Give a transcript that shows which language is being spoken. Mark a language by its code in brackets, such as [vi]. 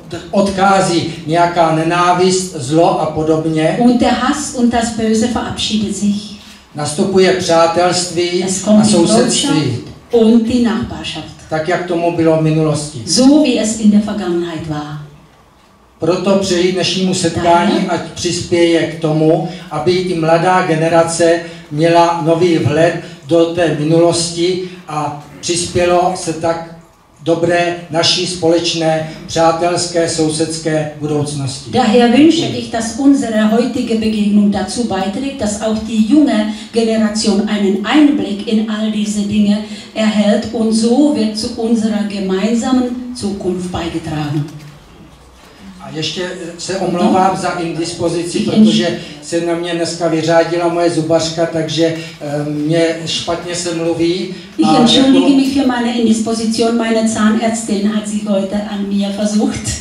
[cs] Odchází nějaká nenávist, zlo a podobně. [de] Und der Hass und das Böse verabschiedet sich. [cs] Nastupuje přátelství a sousedství. [de] Und die Nachbarschaft. [cs] Tak jak tomu bylo v minulosti. [de] So wie es in der Vergangenheit war. [cs] Proto přeji dnešnímu setkání, ať přispěje k tomu, aby i mladá generace měla nový vhled do té minulosti a přispělo se tak dobré naší společné přátelské sousedské budoucnosti. [de] Daher wünsche ich, dass unsere heutige Begegnung dazu beiträgt, dass auch die junge Generation einen Einblick in all diese Dinge erhält und so wird zu unserer gemeinsamen Zukunft beigetragen. [cs] A ještě se omlouvám za indispozici, protože se na mě dneska vyřádila moje zubařka, takže mě špatně se mluví. [de] Ich entschuldige mich für meine Indisposition, meine Zahnärztin hat sich heute an mir versucht.